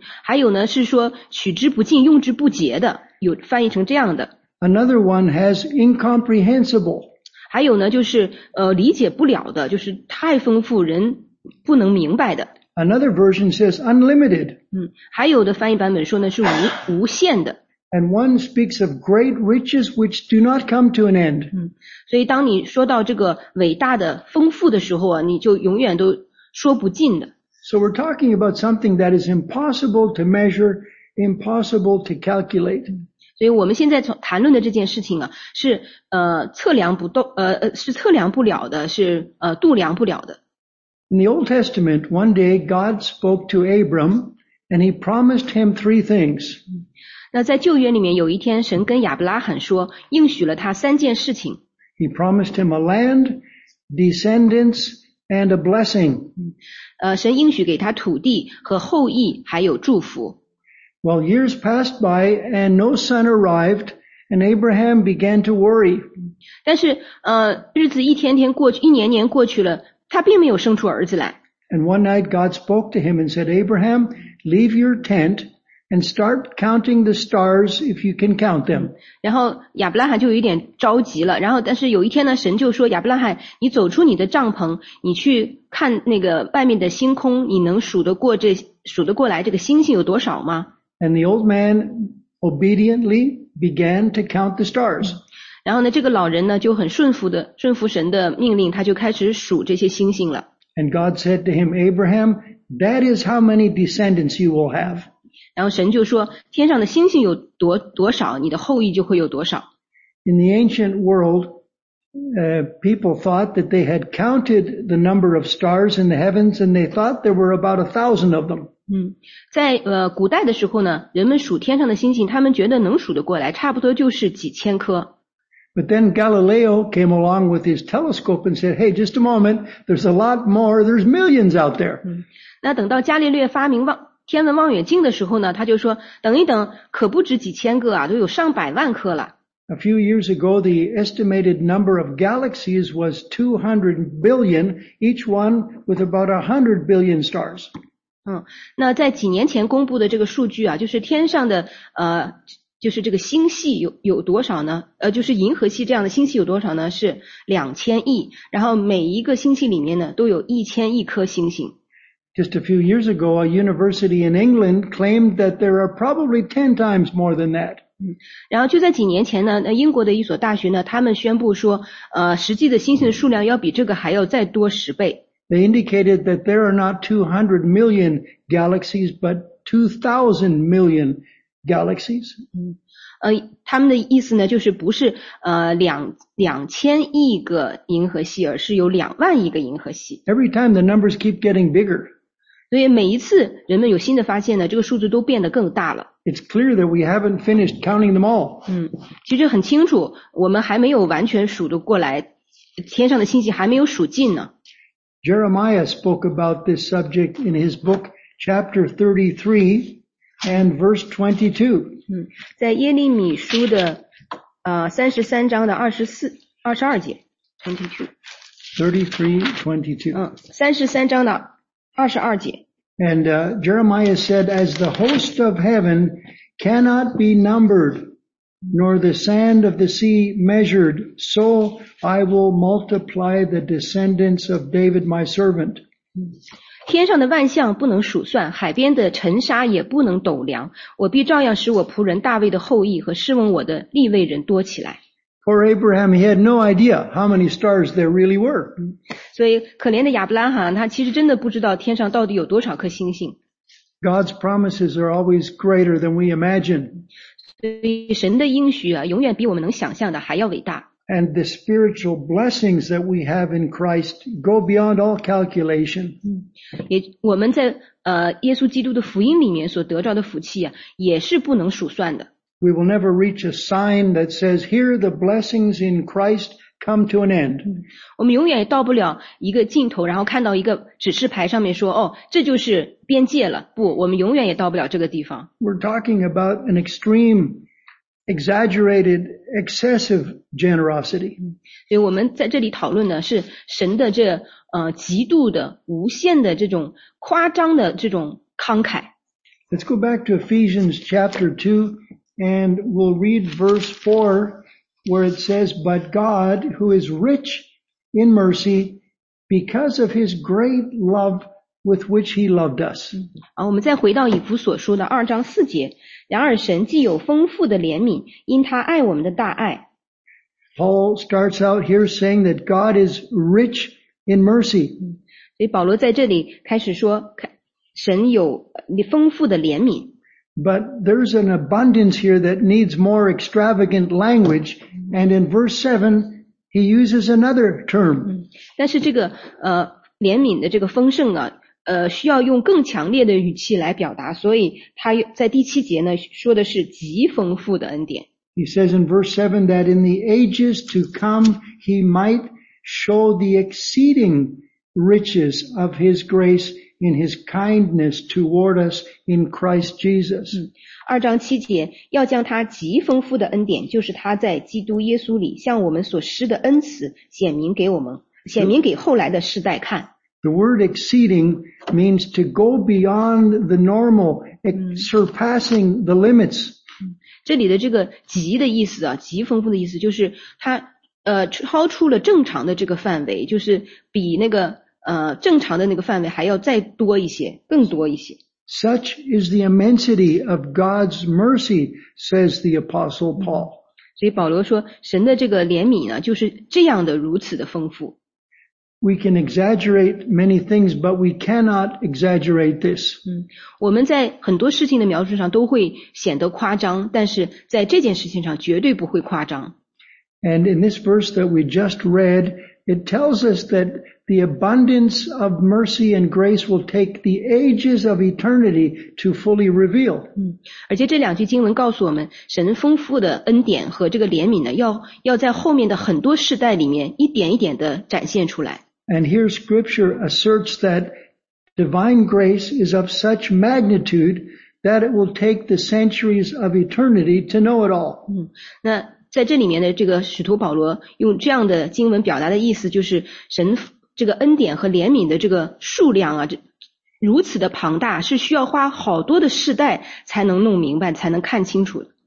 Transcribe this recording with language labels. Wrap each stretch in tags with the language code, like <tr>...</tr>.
<zh>还有呢，是说取之不尽、用之不竭的，有翻译成这样的。</zh> <en>Another one has incomprehensible.</en> <zh>还有呢，就是理解不了的，就是太丰富，人不能明白的。</zh> <en>Another version says unlimited.</en> <zh>还有的翻译版本说呢是无限的。</zh> <en>And one speaks of great riches which do not come to an end.</en> <zh>所以当你说到这个伟大的丰富的时候啊，你就永远都说不尽的。</zh> <en>So we're talking about something that is impossible to measure, impossible to calculate.</en> <zh>所以我们现在谈论的这件事情啊，是测量不了的，是度量不了的。</zh> <en>In the Old Testament, one day God spoke to Abram and he promised him three things.</en> <zh>那在旧约里面有一天神跟亚伯拉罕说应许了他三件事情。</zh> <en>He promised him a land, descendants, and a blessing.</en> <zh>神应许给他土地和后裔还有祝福。</zh> <en>Well, years passed by and no son arrived, and Abraham began to worry.</en> <zh>但是日子一天天过去一年年过去了他并没有生出儿子来。</zh> <en>And one night God spoke to him and said, Abraham, leave your tent and start counting the stars if you can count them.</en> <zh>然后亚伯拉罕就有点着急了。然后但是有一天呢神就说亚伯拉罕你走出你的帐篷你去看那个外面的星空你能数得过来这个星星有多少吗</zh> <en>?And the old man obediently began to count the stars.</en> <zh>然后呢这个老人呢就很顺服神的命令他就开始数这些星星了。</zh> <en>And God said to him, Abraham, that is how many descendants you will have.</en> <zh>然后神就说天上的星星有多少你的后裔就会有多少。</zh> <en>In the ancient world, people thought that they had counted the number of stars in the heavens and they thought there were about 1,000 of them.</en> <zh>在古代的时候呢人们数天上的星星他们觉得能数得过来差不多就是几千颗。</zh> <en>But then Galileo came along with his telescope and said, hey, just a moment, there's a lot more, there's millions out there.</en> <zh>那等到伽利略发明天文望远镜的时候呢他就说等一等可不止几千个啊都有上百万颗了。</zh> <en>A few years ago, the estimated number of galaxies was 200 billion, each one with about 100 billion stars.</en> <zh>那在几年前公布的这个数据啊就是天上的就是这个星系有多少呢就是银河系这样的星系有多少呢是2000亿然后每一个星系里面呢都有1000亿颗星星。</zh> <en>Just a few years ago, a university in England claimed that there are probably 10 times more than that.</en> <zh>然后就在几年前呢那英国的一所大学呢他们宣布说实际的星星的数量要比这个还要再多十倍。</zh> <en>They indicated that there are not 200 million galaxies, but 2,000 million galaxies. Galaxies.</en> <zh>他们的意思呢就是不是2000亿个银河系而是有20000亿个银河系。</zh> <en>Every time the numbers keep getting bigger.</en> <zh>所以每一次人们有新的发现呢这个数字都变得更大了。</zh> <en>It's clear that we haven't finished counting them all.</en> <zh>其实很清楚我们还没有完全数得过来天上的星星还没有数尽呢。</zh> <en>Jeremiah spoke about this subject in his book chapter 33. And verse 22.</en> <zh>在耶利米书的33章的22节 ,33:22. 33章的22节。</zh> <en>And Jeremiah said, as the host of heaven cannot be numbered, nor the sand of the sea measured, so I will multiply the descendants of David my servant.</en> <zh>天上的万象不能数算海边的尘沙也不能斗量我必照样使我仆人大卫的后裔和侍奉我的立位人多起来。</zh> <en>Poor Abraham, he had no idea how many stars there really were.</en> <zh>所以可怜的亚伯拉罕他其实真的不知道天上到底有多少颗星星。</zh> <en>God's promises are always greater than we imagine.</en> <zh>所以神的应许啊永远比我们能想象的还要伟大。</zh> <en>And the spiritual blessings that we have in Christ go beyond all calculation.</en> <zh>我们在耶稣基督的福音里面所得着的福气啊，也是不能数算的。</zh> <en>We will never reach a sign that says, here the blessings in Christ come to an end.</en> <zh>我们永远到不了一个尽头，然后看到一个指示牌上面说，哦，这就是边界了。不，我们永远也到不了这个地方。</zh> <en>We're talking about an extreme exaggerated, excessive generosity.</en> <zh>所以我们在这里讨论的是神的这极度的无限的这种夸张的这种慷慨。</zh> <en>Let's go back to Ephesians chapter 2 and we'll read verse 4 where it says, But God, who is rich in mercy, because of his great love with which he loved us.</en> <zh>我们再回到以弗所书的二章四节。然而神既有丰富的怜悯因他爱我们的大爱。</zh> <en>Paul starts out here saying that God is rich in mercy.</en> <zh>所以保罗在这里开始说神有丰富的怜悯。</zh> <en>But there's an abundance here that needs more extravagant language, and in verse 7, he uses another term.</en> <zh>但是这个怜悯的这个丰盛啊，需要用更强烈的语气来表达，所以他在第七节呢说的是极丰富的恩典。</zh> <en>He says in verse 7 that in the ages to come he might show the exceeding riches of his grace in his kindness toward us in Christ Jesus.</en> <zh>二章七节要将他极丰富的恩典，就是他在基督耶稣里向我们所施的恩慈显明给我们，显明给后来的世代看。</zh> <en>The word exceeding means to go beyond the normal, surpassing the limits.</en> <zh>这里的这个极的意思啊，极丰富的意思就是他超出了正常的这个范围，就是比那个正常的那个范围还要再多一些，更多一些。</zh> <en>Such is the immensity of God's mercy, says the Apostle Paul.</en> <zh>所以保罗说，神的这个怜悯呢，就是这样的，如此的丰富。</zh> <en>We can exaggerate many things, but we cannot exaggerate this.</en> <zh>我们在很多事情的描述上都会显得夸张，但是在这件事情上绝对不会夸张。</zh> <en>And in this verse that we just read, it tells us that the abundance of mercy and grace will take the ages of eternity to fully reveal.</en> <zh>而且这两句经文告诉我们，神丰富的恩典和这个怜悯呢，要在后面的很多世代里面一点一点的展现出来。</zh> <en>And here scripture asserts that divine grace is of such magnitude that it will take the centuries of eternity to know it all.</en> <zh>那在这里面的这个使徒保罗用这样的经文表达的意思，就是神这个恩典和怜悯的这个数量啊，如此的庞大，是需要花好多的世代才能弄明白，才能看清楚的。</zh>